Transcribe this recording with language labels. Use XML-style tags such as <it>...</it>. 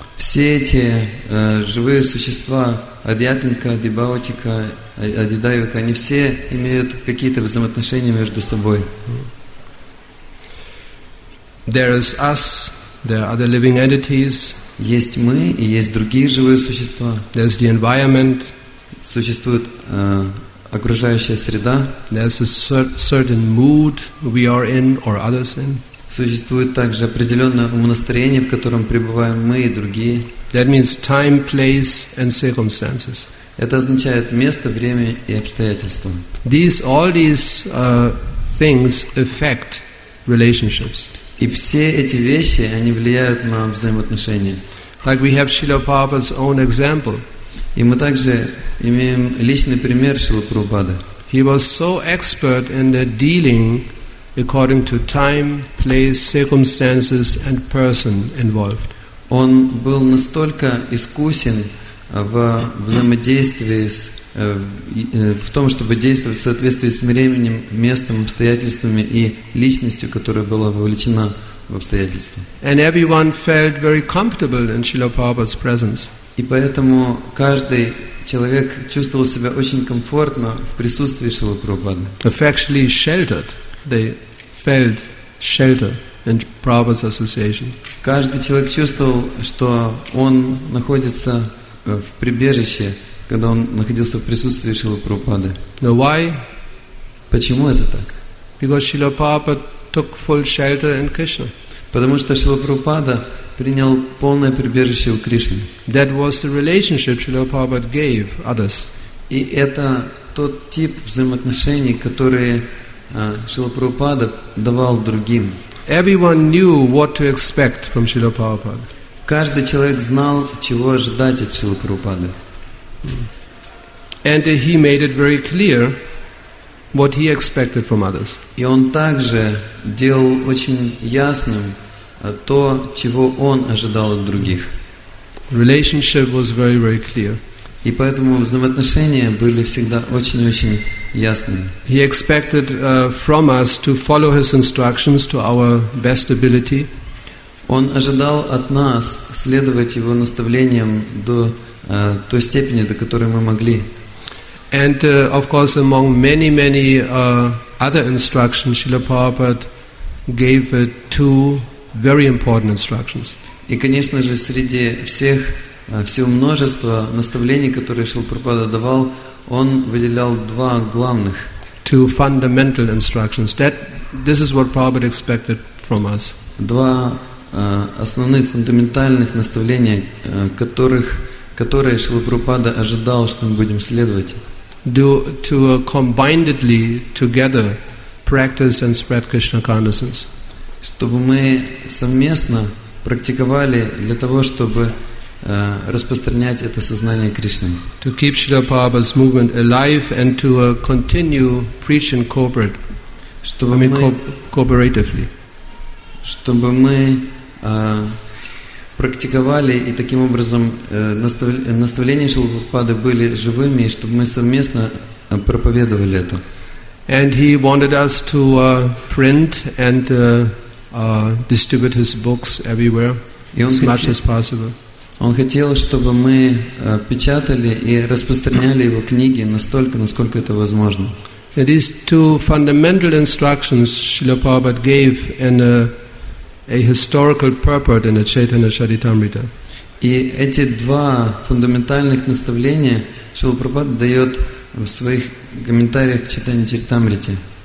<ru>Все эти живые существа, адиатмика, адибаутика, адидайвика, они все имеют какие-то взаимоотношения между собой.</ru> <en>There is us, there are other living entities.</en> <ru>Есть мы и есть другие живые существа.</ru> <en>There's the environment.</en> <ru>Существует окружающая среда.</ru> <en>There's a certain mood we are in or others in.</en> <ru>Существует также определенное умонастроение, в котором пребываем мы и другие.</ru> <en>That means time, place and circumstances.</en> <ru>Это означает место, время и обстоятельства.</ru> <en>All these things affect relationships.</en> <ru>И все эти вещи, они влияют на взаимоотношения.</ru> <en>Like we have Srila Prabhupada's own example.</en> <ru>И мы также имеем личный пример Шрилы Прабхупады.</ru> <en>He was so expert in the dealing according to time, place, circumstances and person involved.</en> <ru>Он был настолько искусен в взаимодействии с, в том, чтобы действовать в соответствии с временем, местом, обстоятельствами и личностью, которая была вовлечена в обстоятельства.</ru> <en>And everyone felt very comfortable in Srila Prabhupada's presence.</en> <ru>И поэтому каждый человек чувствовал себя очень комфортно в присутствии Шрилы Прабхупады.</ru> <en>Effectually sheltered. They felt shelter in Prabhupada's association.</en> <ru>Каждый человек чувствовал, что он находится в прибежище, когда он находился в присутствии Шрилы Прабхупады.</ru> <en>Now why?</en> <ru>Почему это так?</ru> <en>Because Srila Prabhupada took full shelter in Krishna.</en> <ru>Потому что Шрила Прабхупада принял полное прибежище у Кришны.</ru> <en>That was the relationship Srila Prabhupada gave others.</en> <ru>И это тот тип взаимоотношений, которые Шрила Прабхупада давал другим.</ru> <en>Everyone knew what to expect from Srila Prabhupada.</en> <ru>Каждый человек знал, чего ожидать от Шрилы Прабхупады.</ru> <en>And he made it very clear what he expected from others.</en> <ru>И он также делал очень ясным то, чего он ожидал от других.</ru> <en>Relationship was very, very clear.</en> <ru>И поэтому взаимоотношения были всегда очень-очень ясными.</ru> <en>He expected from us to follow his instructions to our best ability.</en> <ru>Он ожидал от нас следовать его наставлениям до той степени, до которой мы могли.</ru> <en>And of course, among many, many other instructions, Srila Prabhupada gave two very important instructions.</en> <ru>И, конечно же, среди всех всего множества наставлений, которые Шрила Прабхупада давал, он выделял два главных.</ru> <en>Two fundamental instructions. That this is what Prabhupada expected from us.</en> <ru>Два основных фундаментальных наставления, которые Шрила Прабхупада ожидал, что мы будем следовать.</ru> <en>To combinedly together practice and spread Krishna consciousness.</en> <ru>Чтобы мы совместно практиковали для того, чтобы распространять это сознание Кришны.</ru> <en>To keep Srila Prabhupada's movement alive and to continue preaching corporate.</en> <ru>Чтобы</ru> <en>I mean, cooperatively.</en> <ru>Чтобы мы практиковали, и таким образом наставления Шрилы Прабхупады были живыми, и чтобы мы совместно проповедовали это.</ru> <en>And he wanted us to print and distribute his books everywhere as much as possible.</en> <ru>Он хотел, чтобы мы печатали и распространяли его книги настолько, насколько это возможно.</ru> <en>These two fundamental instructions Srila Prabhupada gave in a historical purport in the Chaitanya Charitamrita.</en> <ru>И эти два фундаментальных наставления Шрила Прабхупада дает в своих комментариях к Чайтанья Чаритамрите.</ru>